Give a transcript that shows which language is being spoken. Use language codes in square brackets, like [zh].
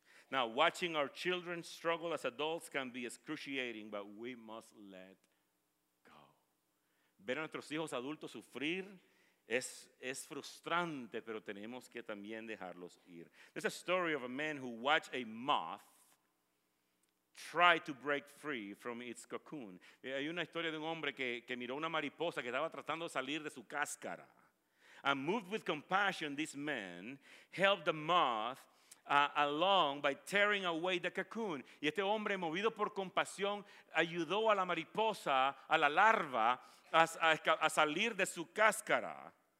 [en] Now, watching our children struggle as adults can be excruciating, but we must let [es] ver a nuestros hijos adultos sufrir es frustrante, pero tenemos que también dejarlos ir. [en] There's a story of a man who watched a moth try to break free from its cocoon. [es] Hay una historia de un hombre que miró una mariposa que estaba tratando de salir de su cáscara. [en] And moved with compassion, this man helped the moth along by tearing away the cocoon. [es] Y este hombre, movido por compasión, ayudó a la mariposa, a la larva, a salir de su cáscara.